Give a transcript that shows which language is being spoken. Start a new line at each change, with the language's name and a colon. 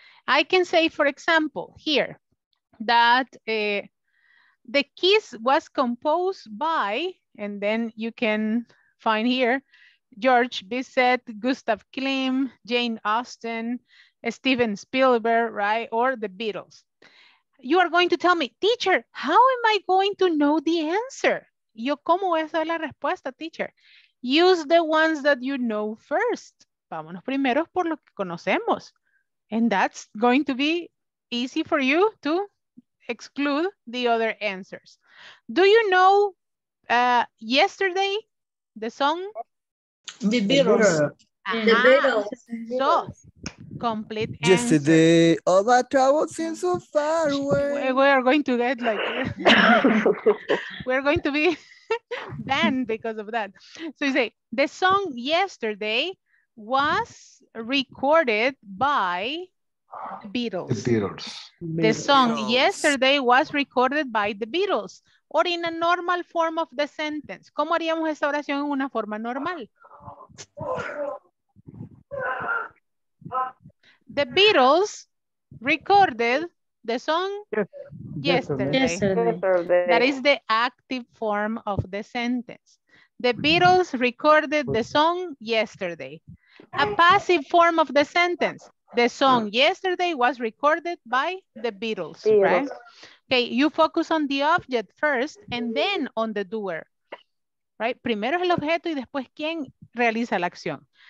English: I can say, for example, here, that the quiz was composed by, and then you can find here, George Bizet, Gustav Klim, Jane Austen, Steven Spielberg, right? Or the Beatles. You are going to tell me, teacher, how am I going to know the answer?
Spanish: Yo, ¿cómo voy a saber la respuesta, teacher?
English: Use the ones that you know first.
Spanish: Vámonos primero por lo que conocemos.
English: And that's going to be easy for you to exclude the other answers. Do you know yesterday the song? The Beatles. Uh-huh. The Beatles. So, complete answer. Yesterday, all my troubles seem so far away. We are going to get like, we're going to be banned because of that. So you say, the song yesterday was recorded by the Beatles. Yesterday was recorded by the Beatles. Or in a normal form of the sentence.
Spanish: ¿Cómo haríamos esta oración en una forma normal?
English: The Beatles recorded the song yesterday. That is the active form of the sentence. The Beatles recorded the song yesterday. A passive form of the sentence. The song yesterday was recorded by the Beatles, right? Okay, you focus on the object first and then on the doer, right?
Spanish: Primero es el objeto y después quién realiza la acción.